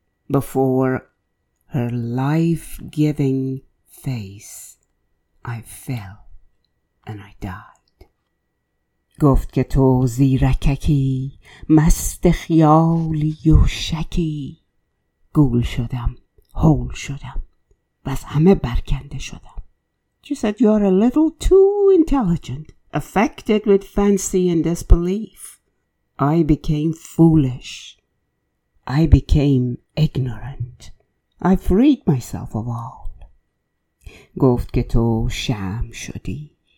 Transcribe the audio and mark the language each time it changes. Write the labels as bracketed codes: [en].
[en] Before her life-giving face, I fell and I died. [fa] گفت که تو زیرککی مست خیالی و شکی گول شدم، هول شدم و از همه برکنده شدم. [en] She said, you're a little too intelligent, affected with fancy and disbelief. I became foolish. I became ignorant. I freed myself of all. [fa] گفت که تو شمع شدی.